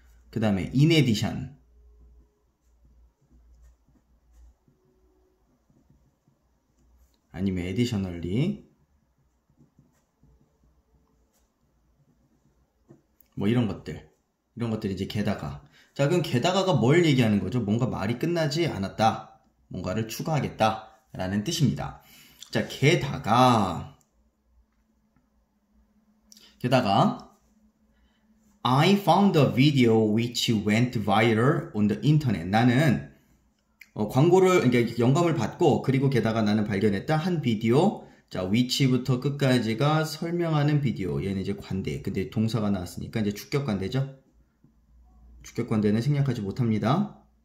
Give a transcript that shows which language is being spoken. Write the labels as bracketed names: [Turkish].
[Korean] 그 다음에 in addition 아니면 additionally 뭐 이런 것들 이제 게다가. 자, 그럼 게다가가 뭘 얘기하는 거죠? 뭔가 말이 끝나지 않았다. 뭔가를 추가하겠다라는 뜻입니다. 자, 게다가 [English] I found a video which went viral on the internet. [Korean] 나는 광고를 그러니까 영감을 받고 그리고 게다가 나는 발견했다. 한 비디오. 자, which부터 끝까지가 설명하는 비디오. 얘는 이제 관대. 근데 동사가 나왔으니까 이제 주격 관대죠? 주격관대는 생략하지 못합니다.